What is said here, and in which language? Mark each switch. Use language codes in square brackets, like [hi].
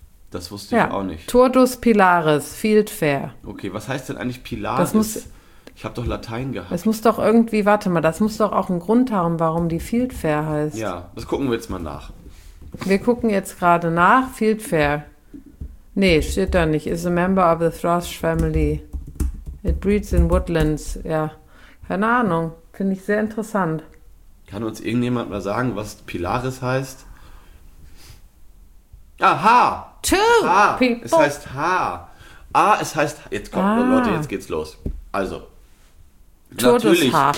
[de] Das wusste ich auch nicht. Tordus Pilaris, Field Fair. Okay, was heißt denn eigentlich Pilaris? Das muss, ich habe doch Latein gehabt. Es muss doch irgendwie, warte mal, das muss doch auch einen Grund haben, warum die Field Fair heißt. Ja, das gucken wir jetzt mal nach. Wir gucken jetzt gerade nach. Field Fair. Nee, steht da nicht. [en] Is a member of the Thrush family. It breeds in woodlands, ja. [de] Keine Ahnung, finde ich sehr interessant. Kann uns irgendjemand mal sagen, was Pilaris heißt? Aha! [en] Two [de] ha. [en] People! [de] Es heißt H. Ah, es heißt... Jetzt kommt, Leute, jetzt geht's los. Also, natürlich.